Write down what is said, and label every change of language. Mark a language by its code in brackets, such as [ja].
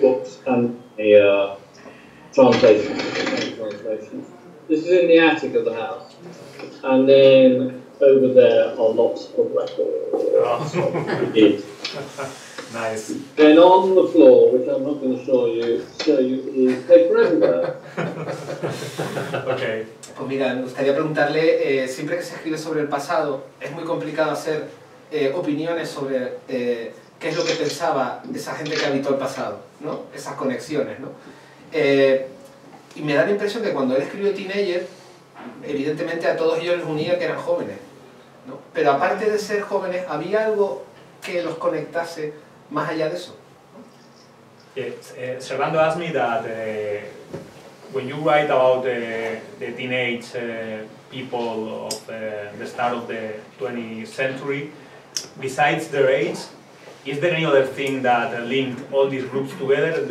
[en] books and the translations. This is in the attic of the house. And then over there are lots of records. Nice. Then on the floor, which I'm not going to show you, is paper everywhere. Okay. [es] Pues mira, me gustaría preguntarle, siempre que se escribe sobre el pasado, es muy complicado hacer opiniones sobre... qué es lo que pensaba esa gente que habitó el pasado, ¿no? Esas conexiones, ¿no? Y me da la impresión que cuando él escribió Teenager, evidentemente a todos ellos les unía que eran jóvenes, ¿no? Pero aparte de ser jóvenes, ¿había algo que los conectase más allá de eso? [en] Servando asked me that when you write about the teenage people of the start of the 20th century, besides their age, is there any other thing that linked all these groups together?